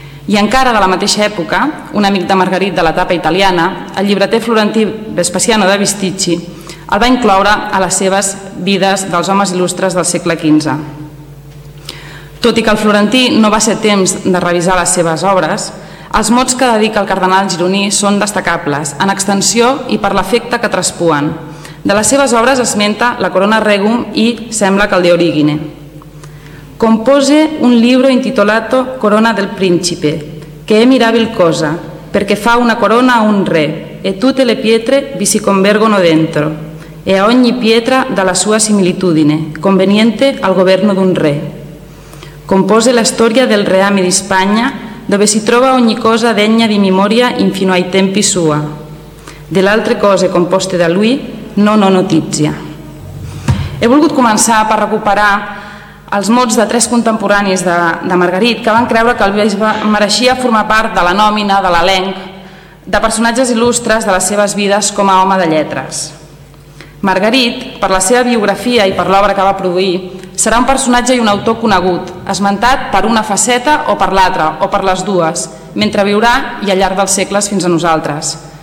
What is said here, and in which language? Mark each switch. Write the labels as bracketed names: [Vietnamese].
[Catalan] I encara de la mateixa època, un amic de Marguerite de l'etapa italiana, el llibreter florentí Vespasiano da Bisticci, el va incloure a les seves vides dels homes il·lustres del segle XV. Tot i que el florentí no va ser temps de revisar les seves obres, Els mots que dedica el cardenal gironí són destacables, en extensió i per l'efecte que traspuen. De les seves obres esmenta la Corona Regum i sembla que el De Origine. [Italian] Compose un libro intitolato Corona del Príncipe, que è mirabil cosa, perché fa una corona a un re, e tutte le pietre vi si convergono dentro, e a ogni pietra dà la sua similitudine, conveniente al governo d'un re. Compose la storia del reame di Spagna, dove si trova ogni cosa degna di memoria infino ai tempi sua. Delle altre cose composte da lui non ho notizia. [Catalan] He volgut començar per recuperar els mots de tres contemporanis de Margarit que van creure que el bisbe mereixia formar part de la nòmina, de l'elenc, de personatges il·lustres de les seves vides com a home de lletres. Margarit, per la seva biografia i per l'obra que va produir, serà un personatge i un autor conegut, esmentat per una faceta o per l'altra, o per les dues, mentre viurà i al llarg dels segles fins a nosaltres.